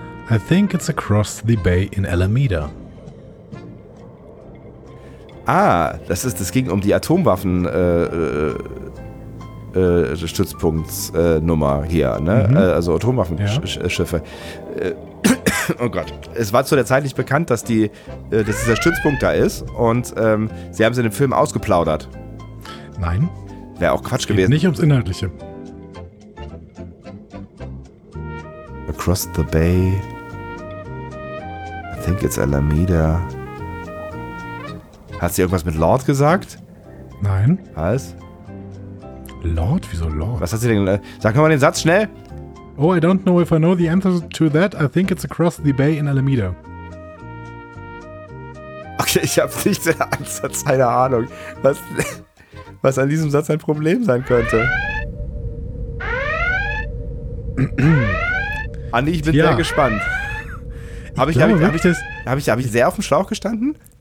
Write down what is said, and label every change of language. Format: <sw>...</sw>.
<en>I think it's across the bay in Alameda.</en> <de>Ah, das ging um die Atomwaffen Stützpunktnummer hier, ne? Mhm. Also Atomwaffenschiffe. Ja. Oh Gott, es war zu der Zeit nicht bekannt, dass dieser Stützpunkt da ist und sie haben es in dem Film ausgeplaudert. Nein. Wäre auch Quatsch gewesen. Nicht ums Inhaltliche.</de> <en>Across the bay. I think it's Alameda.</en> <de>Hat sie irgendwas mit Lord gesagt? Nein. Was? Lord? Wieso Lord? Was hat sie denn? Sag mal den Satz schnell.</de> <en>Oh, I don't know if I know the answer to that. I think it's across the bay in Alameda.</en> <de>Okay, ich habe nicht den Ansatz, keine Ahnung, was an diesem Satz ein Problem sein könnte. Andi, ich bin ja sehr gespannt. Habe ich sehr auf dem Schlauch gestanden?</de>